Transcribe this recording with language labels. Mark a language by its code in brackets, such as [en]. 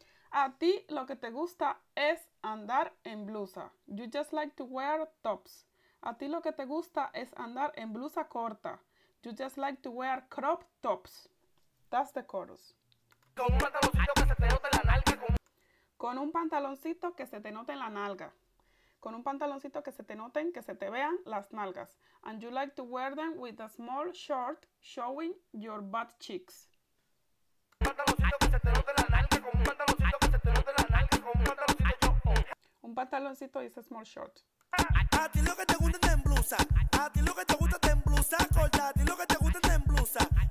[es] A ti lo que te gusta es andar en blusa. [en] You just like to wear tops. [es] A ti lo que te gusta es andar en blusa corta. [en] You just like to wear crop tops. That's the chorus. [es] Con un pantaloncito que se te note en la nalga. Con un pantaloncito que se te note en la nalga. Con un pantaloncito que se te noten, que se te vean las nalgas. [en] And you like to wear them with a small short showing your butt cheeks. [es] Un pantaloncito que se te note en la nalga. Con un pantaloncito que se te note en la nalga. Con un pantaloncito que se te note en la nalga. Un pantaloncito y ese [en] small short. [es] A ti lo que te gusta en blusa. A ti lo que te gusta en blusa. A ti lo que te gusta en blusa.